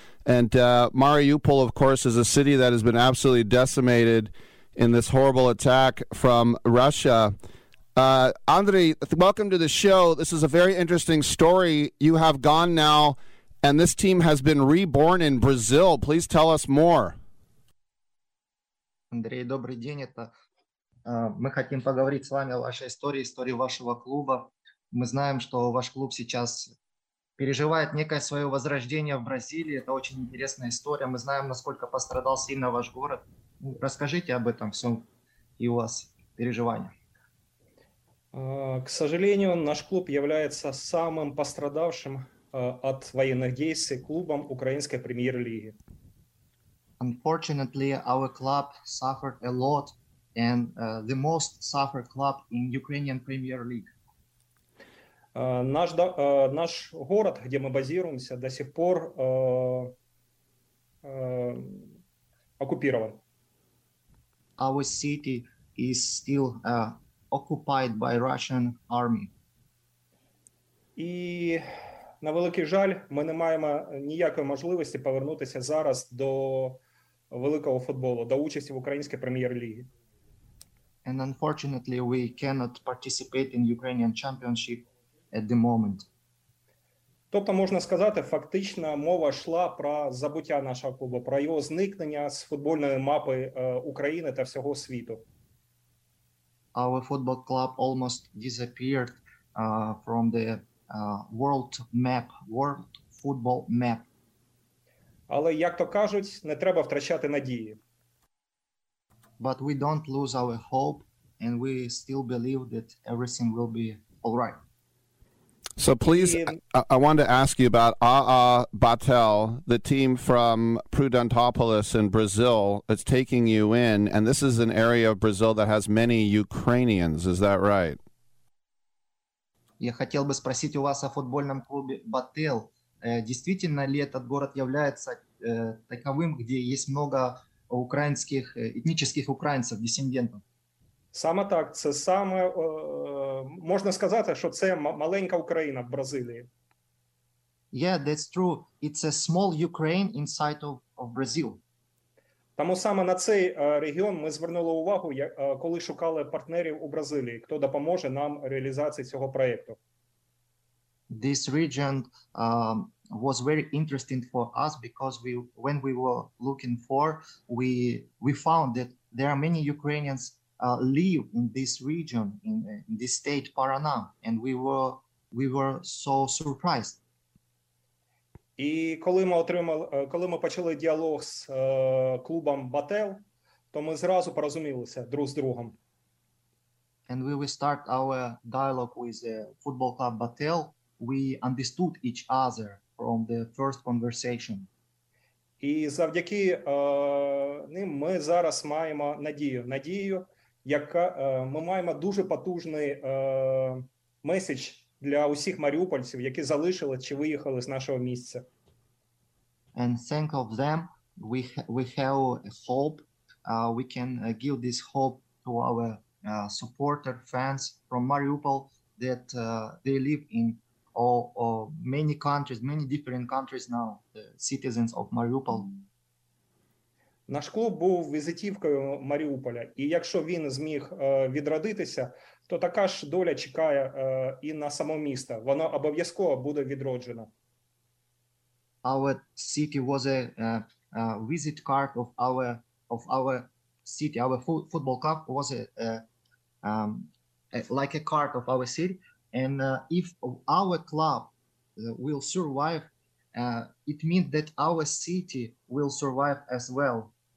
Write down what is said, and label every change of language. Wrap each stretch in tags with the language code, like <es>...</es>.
<en>And Mariupol, of course, is a city that has been absolutely decimated in this horrible attack from Russia. Andrei, welcome to the show. This is a very interesting story. You have gone now, and this team has been reborn in Brazil. Please tell us more.</en> <ru>Andrei, добрый день. Это мы хотим поговорить с вами о вашей истории, истории вашего клуба. Мы знаем, что ваш клуб сейчас переживает некое свое возрождение в Бразилии. Это очень интересная история. Мы знаем, насколько пострадал сильно ваш город. Расскажите об этом всем и у вас переживания. К сожалению, наш клуб является самым пострадавшим от военных действий клубом украинской премьер-лиги.</ru> <en>Unfortunately, our club suffered a lot and the most suffered club in Ukrainian Premier League.</en> <ru>Наш город, где мы базируемся, до сих пор оккупирован.</ru> <en>Our city is still occupied by Russian army.</en> <uk>И на великий жаль, ми не маємо ніякої можливості повернутися зараз до великого футболу, до участі в українській прем'єр-лізі.</uk> <en>And unfortunately, we cannot participate in Ukrainian championship at the moment.</en> <uk>Тобто можна сказати, фактично мова йшла про забуття нашого клубу, про його зникнення з футбольної мапи України та всього світу.</uk> <en>Our football club almost disappeared from the world map, world football map.</en> <uk>Але як то кажуть, не треба втрачати надії.</uk> <en>But we don't lose our hope and we still believe that everything will be all right. So please, I wanted to ask you about AA Batel, the team from Prudentopolis in Brazil. It's taking you in, and this is an area of Brazil that has many Ukrainians. Is that right?</en> <ru>Я хотел бы спросить у вас о футбольном клубе Бател. Действительно ли этот город является таковым, где есть много украинских, этнических украинцев, диссидентов?</ru> <uk>Саме так. Це саме, можна сказати, що це маленька Україна в Бразилії.</uk> <en>Yeah, that's true. It's a small Ukraine inside of Brazil.</en> <uk>Тому саме на цей регіон ми звернули увагу, коли шукали партнерів у Бразилії, хто допоможе нам реалізації цього проєкту.</uk> <en>This region was very interesting for us because when we were looking for, we found that there are many Ukrainians live in this region, in this state Paraná, and we were so surprised.</en> <uk>І коли ми отримали, коли ми почали діалог з клубом Бател, то ми зразу порозумілися друг з другом.</uk> <en>And we will start our dialogue with the football club Бател. We understood each other from the first conversation.</en> <uk>І завдяки ним ми зараз маємо надію. Надію, яка ми маємо дуже потужний меседж для усіх маріупольців, які залишили чи виїхали з нашого місця.</uk> <en>And thank of them, we have a hope. We can give this hope to our supporter fans from Mariupol that they live in all many countries, many different countries now, the citizens of Mariupol.</en> <uk>Наш клуб був візитівкою Маріуполя, і якщо він зміг відродитися, то така ж доля чекає і на само місто. Воно обов'язково буде відроджено.</uk> <en>Our city was a visit card of our city. Our football club was like a card of our city. And if our club will survive, it means that our city will survive as well.</en>